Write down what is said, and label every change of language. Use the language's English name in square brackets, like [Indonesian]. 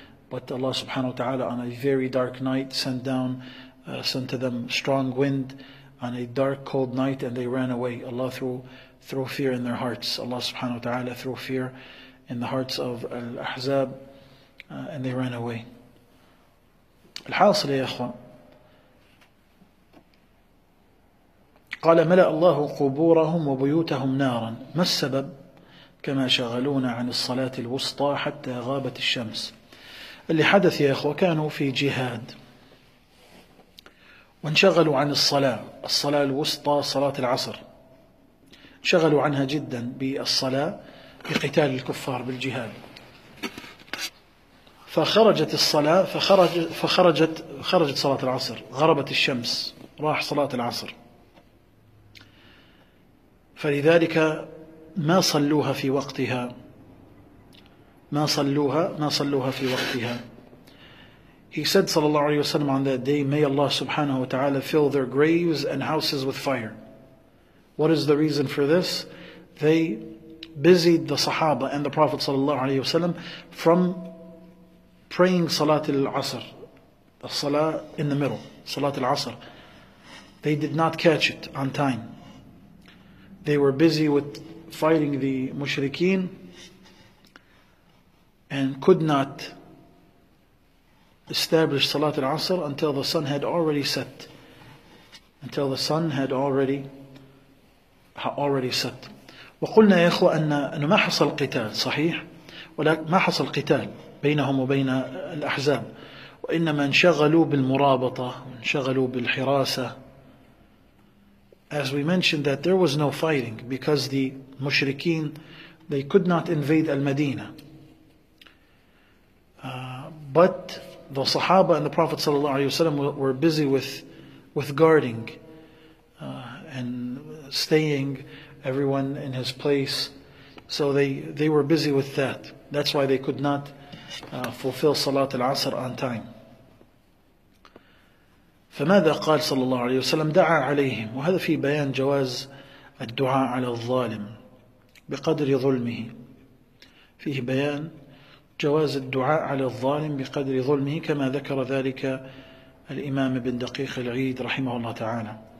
[English] But Allah subhanahu wa ta'ala on a very dark night sent down, sent to them strong wind on a dark cold night, and they ran away. Allah threw fear in their hearts. Allah subhanahu wa ta'ala threw fear in the hearts of Al-Ahzab, and they ran away. [Arabic] Al-Hasil, ya ikhwan, قال ملأ الله قبورهم وبيوتهم نارا ما السبب كما شغلون عن الصلاة الوسطى حتى غابت الشمس. اللي حدث يا إخوة كانوا في جهاد وانشغلوا عن الصلاة، الصلاة الوسطى صلاة العصر، انشغلوا عنها جدا بالصلاة بقتال الكفار بالجهاد، فخرجت الصلاة فخرجت صلاة العصر، غربت الشمس، راح صلاة العصر، فلذلك ما صلوها في وقتها، ما صلوها في وقتها. [English] He said صلى الله عليه وسلم on that day, may Allah subhanahu wa ta'ala fill their graves and houses with fire. What is the reason for this? They busied the Sahaba and the Prophet صلى الله عليه وسلم from praying Salat al-Asr, Salah in the middle, Salat al-Asr. They did not catch it on time. They were busy with fighting the mushrikeen and could not establish Salat al-Asr until the sun had already set. Until the sun had already set. [Arabic] وقلنا يا إخوة أن ما حصل قتال صحيح، ولكن ما حصل قتال بينهم وبين الأحزاب، وإنما انشغلوا بالمرابطة، انشغلوا بالحراسة. [English] As we mentioned that there was no fighting because the mushrikeen, they could not invade Al-Madina. But the Sahaba and the Prophet sallallahu alayhi wasallam were busy with guarding and staying everyone in his place. So they were busy with that. That's why they could not fulfill Salat al-Asr on time. [Arabic] فماذا قال صلى الله عليه وسلم دعا عليهم، وهذا في بيان جواز الدعاء على الظالم بقدر ظلمه، فيه بيان جواز الدعاء على الظالم بقدر ظلمه كما ذكر ذلك الإمام ابن دقيق العيد رحمه الله تعالى.